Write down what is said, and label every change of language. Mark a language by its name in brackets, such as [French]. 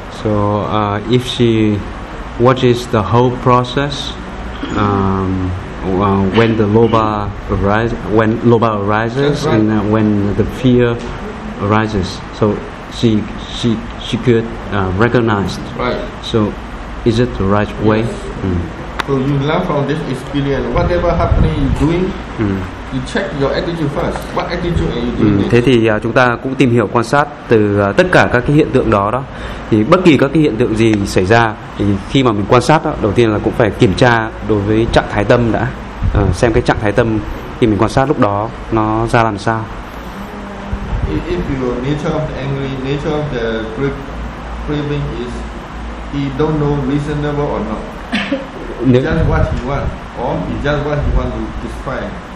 [English] So if she watches the whole process, when the loba arises, and when the fear arises, so she could recognize. Right. So is it the right way? So you learn from this experience, whatever happening you're doing, you check your attitude first. What attitude are you doing? [Vietnamese] Thế thì chúng ta cũng tìm hiểu quan sát từ tất cả các cái hiện tượng đó. Thì bất kỳ các cái hiện tượng gì xảy ra thì khi mà mình quan sát đó, đầu tiên là cũng phải kiểm tra đối với trạng thái tâm đã. Xem cái trạng thái tâm khi mình quan sát lúc đó nó ra làm sao. [English] If your nature of angry, nature of the craving is he don't know reasonable or not. He just what he want, or he just what he want to describe.